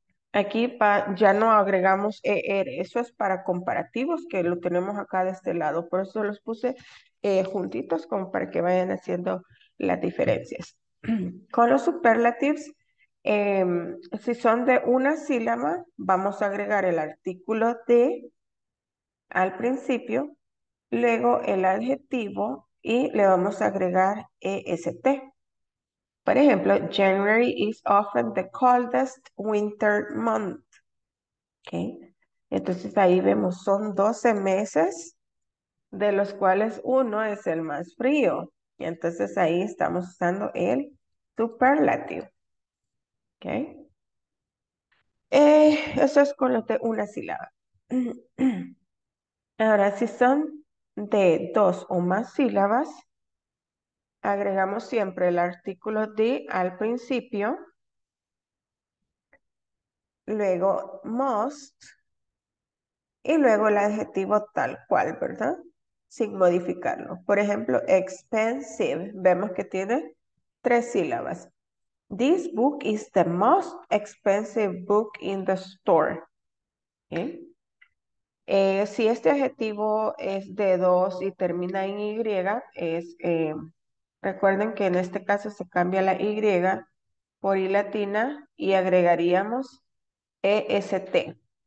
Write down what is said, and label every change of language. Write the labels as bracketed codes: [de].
[es] Aquí ya no agregamos ER, eso es para comparativos que lo tenemos acá de este lado, por eso los puse juntitos como para que vayan haciendo las diferencias. Con los superlatives, si son de una sílaba, vamos a agregar el artículo de al principio, luego el adjetivo y le vamos a agregar EST. Por ejemplo, [en] January is often the coldest winter month. ¿Okay? [es] Entonces ahí vemos, son 12 meses de los cuales uno es el más frío. Y entonces ahí estamos usando el superlativo. ¿Okay? Eso es con los de una sílaba. Ahora, si son de dos o más sílabas, agregamos siempre el artículo de al principio, luego most y luego el adjetivo tal cual, ¿verdad? Sin modificarlo. Por ejemplo, expensive. Vemos que tiene tres sílabas. [en] This book is the most expensive book in the store. ¿Okay? [es] Si este adjetivo es de dos y termina en Y, es... Recuerden que en este caso se cambia la Y por I latina y agregaríamos EST.